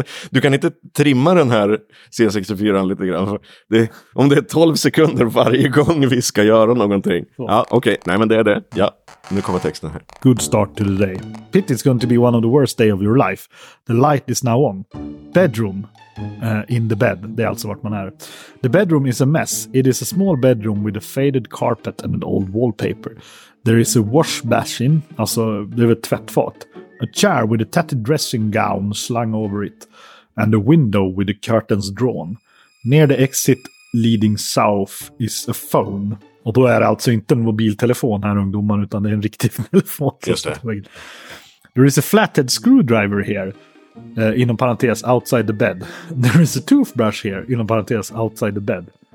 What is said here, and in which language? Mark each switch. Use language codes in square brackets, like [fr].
[sv] Du kan inte trimma den här C64 lite grann. Om det är 12 sekunder varje gång vi ska göra någonting. Så. Ja, okej. Okay. Nej, men det är det. Ja, nu kommer texten här. [en] Good start to the day. Pit is going to be one of the worst day of your life. The light is now on. Bedroom. In the bed. [sv] Det är alltså vart man är. [en] The bedroom is a mess. It is a small bedroom with a faded carpet and an old wallpaper. There is a wash basin. [sv] Alltså, det är ett tvättfat. [en] A chair with a tattered dressing gown slung over it, and a window with the curtains drawn. Near the exit leading south is a phone. [sv] Och då är det alltså inte en mobiltelefon här, ungdomar, utan det är en riktig telefon. Just det. [en] There is a flathead screwdriver here, [sv] inom parentes, [en] outside the bed. There is a toothbrush here, [sv] inom parentes, [en] outside the bed.